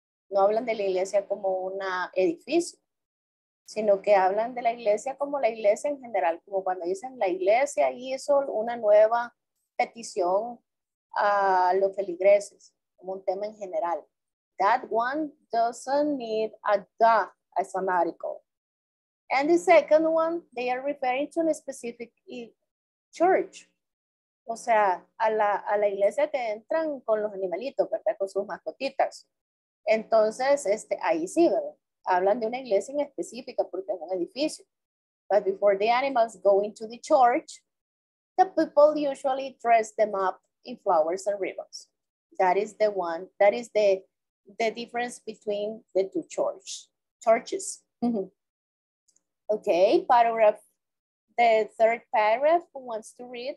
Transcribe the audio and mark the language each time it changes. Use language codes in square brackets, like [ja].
[es] No hablan de la iglesia como un edificio, sino que hablan de la iglesia en general. Como cuando dicen la iglesia hizo una nueva petición a los feligreses, como un tema en general. [en] That one doesn't need a da as an article. And the second one, they are referring to a specific church [es] O sea, a la iglesia que entran con los animalitos, ¿verdad? Con sus mascotitas. Entonces, ahí sí, ¿verdad? Hablan de una iglesia en específica porque es un edificio. [en] But before the animals go into the church, the people usually dress them up in flowers and ribbons. That is the one, that is the difference between the two churches. Okay, paragraph, the third paragraph, who wants to read?